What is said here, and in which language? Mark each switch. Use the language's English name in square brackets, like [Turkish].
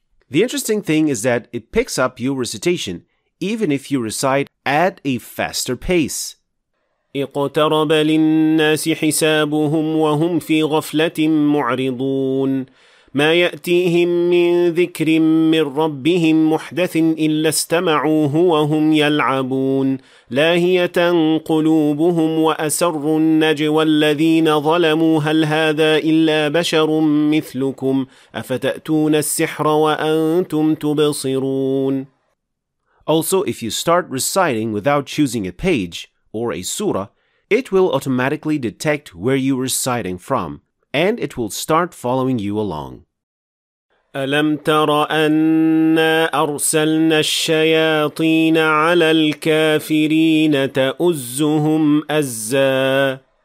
[English] The interesting thing is that it picks up your recitation even if you recite at a faster pace. [Arabic] اقترب للناس حسابهم وهم في غفلة معرضون ما يأتيهم من ذكر من ربهم محدث إلا استمعوه وهم يلعبون لاهية قلوبهم وأسر النجوى الذين ظلموا هل هذا إلا بشر مثلكم أفتأتون السحر وأنتم تبصرون. [English] Also, if you start reciting without choosing a page or a surah, it will automatically detect where you are reciting from, and it will start following you along. [Arabic] أَلَمْ تَرَ أَنَّا أَرْسَلْنَا الشَّيَاطِينَ عَلَى الْكَافِرِينَ تَأُزُّهُمْ أَزَّا.